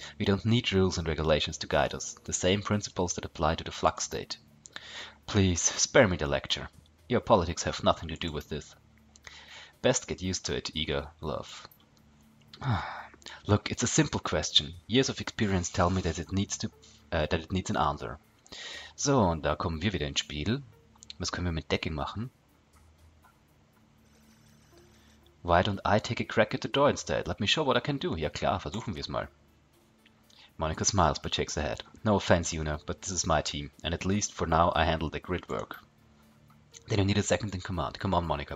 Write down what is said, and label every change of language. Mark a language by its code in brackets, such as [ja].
[en] We don't need rules and regulations to guide us. The same principles that apply to the flux state. Please, spare me the lecture. Your politics have nothing to do with this. Best get used to it, Eager love. Look, it's a simple question. Years of experience tell me that it needs an answer. [de] So, und da kommen wir wieder ins Spiel. Was können wir mit Decking machen? [en] Why don't I take a crack at the door instead? Let me show what I can do. [de] Ja klar, versuchen wir es mal. [en] Monika smiles but shakes her head. No offense, Yuna, but this is my team. And at least for now I handle the grid work. Then you need a second in command. Come on, Monika.